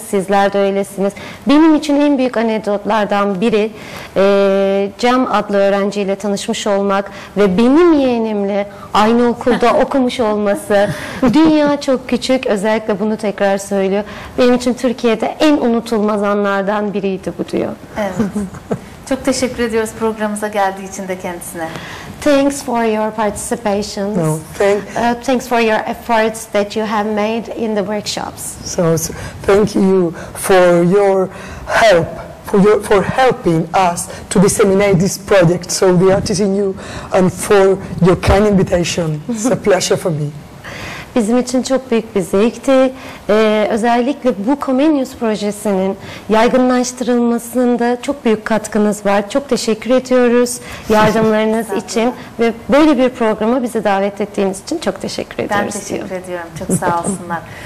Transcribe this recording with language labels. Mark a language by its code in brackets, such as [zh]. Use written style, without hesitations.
[tr] Sizler de öylesiniz. Benim için en büyük anekdotlardan biri Cem adlı öğrenciyle tanışmış olmak ve benim yeğenimle aynı okulda okumuş olması. Dünya çok küçük. Özellikle bunu tekrar söylüyor. Benim için Türkiye'de en unutulmaz anlardan biriydi bu diyor. Evet. Çok teşekkür ediyoruz programımıza geldiği için de kendisine. [en] Thanks for your participation. No, thanks for your efforts that you have made in the workshops. So thank you for your help, for helping us to disseminate this project. So the artist in you, and for your kind invitation. It's a pleasure for me. [tr] Bizim için çok büyük bir zevkti. Özellikle bu Comenius projesinin yaygınlaştırılmasında çok büyük katkınız var. Çok teşekkür ediyoruz yardımlarınız için ve böyle bir programa bizi davet ettiğiniz için çok teşekkür ediyoruz. Ben teşekkür ediyorum. Çok sağ olsunlar.